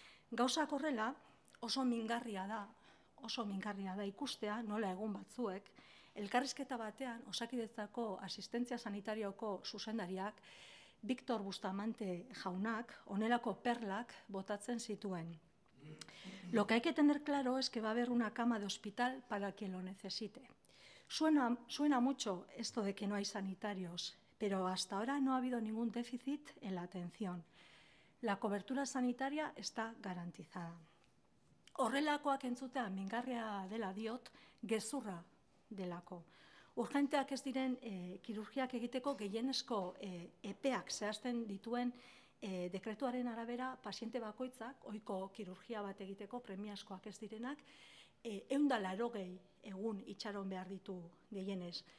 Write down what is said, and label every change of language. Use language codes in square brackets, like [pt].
[eu] Gauzak horrela oso mingarria da ikustea nola egun batzuek, elkarrizketa batean Osakidetzako asistentzia sanitarioko zuzendariak, Victor Bustamante jaunak, onelako perlak botatzen zituen. [es] Lo que hay que tener claro es que va a haber una cama de hospital para quien lo necesite. Suena mucho esto de que no hay sanitarios, pero hasta ahora no ha habido ningún déficit en la atención. La cobertura sanitaria está garantizada. [eu] Horrelakoak entzutea mingarria dela diot, gezurra delako. Urgenteak ez diren kirurgiak egiteko gehienezko epeak zehazten dituen dekretuaren arabera paziente bakoitzak, ohiko kirurgia bat egiteko premiazkoak ez direnak, 180 egun itxaron behar ditu gehienez.